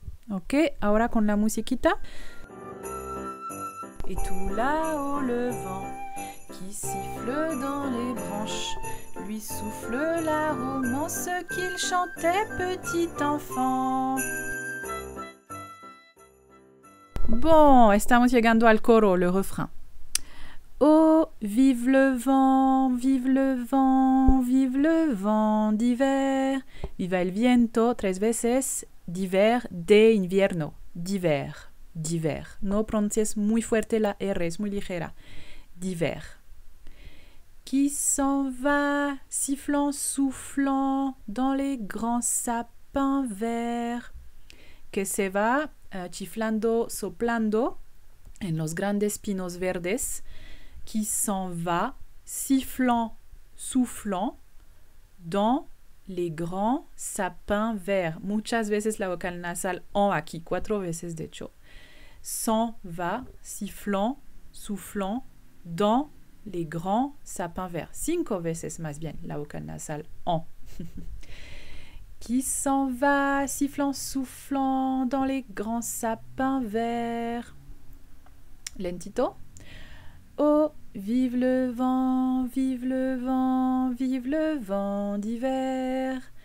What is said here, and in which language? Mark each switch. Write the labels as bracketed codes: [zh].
[es] Ok, ahora con la musiquita. [fr] Et tout là-haut le vent qui siffle dans les branches lui souffle la romance qu'il chantait petit enfant. Bon, [es] estamos llegando al coro, [fr] le refrain. Oh, vive le vent, vive le vent, vive le vent d'hiver. [es] Viva el viento, tres veces, d'hiver, de invierno, d'hiver, d'hiver. No pronuncies muy fuerte la R, es muy ligera. [fr] D'hiver. Qui s'en va, sifflant, soufflant, dans les grands sapins verts. [es] Que se va, chiflando, soplando, en los grandes pinos verdes. [fr] Qui s'en va, sifflant, soufflant, dans les grands sapins verts. [es] Muchas veces la vocal nasal en aquí, cuatro veces de hecho. [fr] S'en va, sifflant, soufflant, dans les grands sapins verts. [es] Cinco veces más bien la vocal nasal en. [fr] Qui s'en va, sifflant, soufflant, dans les grands sapins verts. [es] Lentito. [fr] Oh, vive le vent, d'hiver.